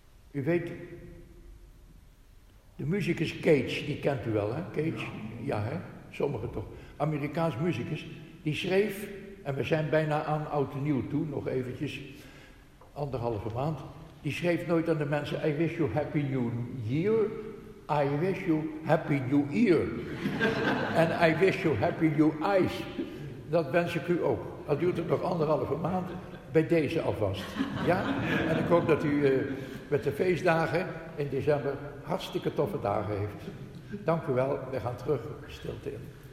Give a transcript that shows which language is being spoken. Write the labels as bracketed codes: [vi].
[nl] U weet, de muzikus Cage, die kent u wel, hè? Cage, ja, hè? Sommigen toch. Amerikaans muzikus, die schreef, en we zijn bijna aan oud en nieuw toe, nog eventjes, anderhalve maand. Die schreef nooit aan de mensen, [en] I wish you happy new year, I wish you happy new year. [nl] En [en] I wish you happy new eyes. [nl] Dat wens ik u ook. Al duurt het nog anderhalve maand, bij deze alvast. Ja? En ik hoop dat u met de feestdagen in december hartstikke toffe dagen heeft. Dank u wel, we gaan terug stilte in.